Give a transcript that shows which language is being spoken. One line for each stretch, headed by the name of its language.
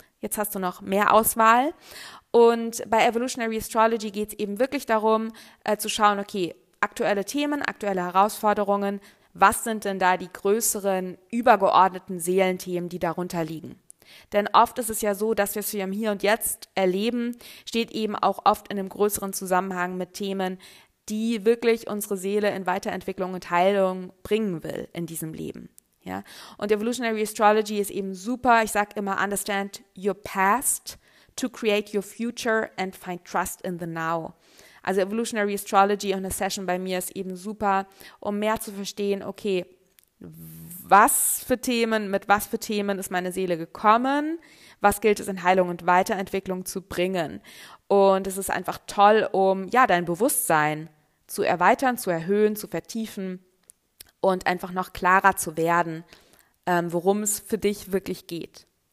German: Jetzt hast du noch mehr Auswahl. Und bei Evolutionary Astrology geht es eben wirklich darum, zu schauen, okay, aktuelle Themen, aktuelle Herausforderungen, was sind denn da die größeren, übergeordneten Seelenthemen, die darunter liegen? Denn oft ist es ja so, dass was wir im Hier und Jetzt erleben, steht eben auch oft in einem größeren Zusammenhang mit Themen, die wirklich unsere Seele in Weiterentwicklung und Heilung bringen will in diesem Leben. Ja? Und Evolutionary Astrology ist eben super. Ich sage immer,
English: understand your past to create your future and find trust in the now.
German: Also Evolutionary Astrology und eine Session bei mir ist eben super, um mehr zu verstehen, okay, was für Themen, mit was für Themen ist meine Seele gekommen? Was gilt es in Heilung und Weiterentwicklung zu bringen? Und es ist einfach toll, um ja dein Bewusstsein zu erweitern, zu erhöhen, zu vertiefen und einfach noch klarer zu werden, worum es für dich wirklich geht.